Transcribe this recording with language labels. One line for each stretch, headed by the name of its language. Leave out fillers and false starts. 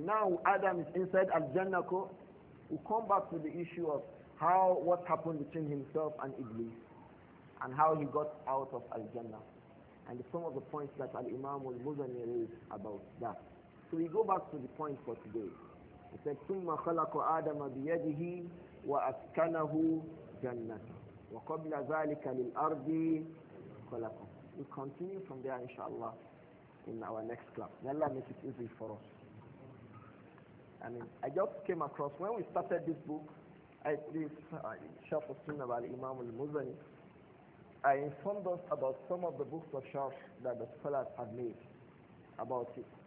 English: Now Adam is inside Al-Jannah. We come back to the issue of how what happened between himself and Iblis and how he got out of Al-Jannah. And some of the points that Al-Imam al-Muzani raised about that. So we go back to the point for today. He said,
Arabic: ثُمَّ خَلَقُ آدَمَ بِيَدِهِ وَأَسْكَنَهُ جَنَّةً وَقَبْلَ ذَلِكَ لِلْأَرْضِ خَلَقُ.
English: We continue from there, inshallah. In our next class. May Allah make it easy for us. I mean, I just came across, when we started this book, Sharh Sunnah by Imam al-Muzani, I informed us about some of the books of Sharh that the scholars have made about it.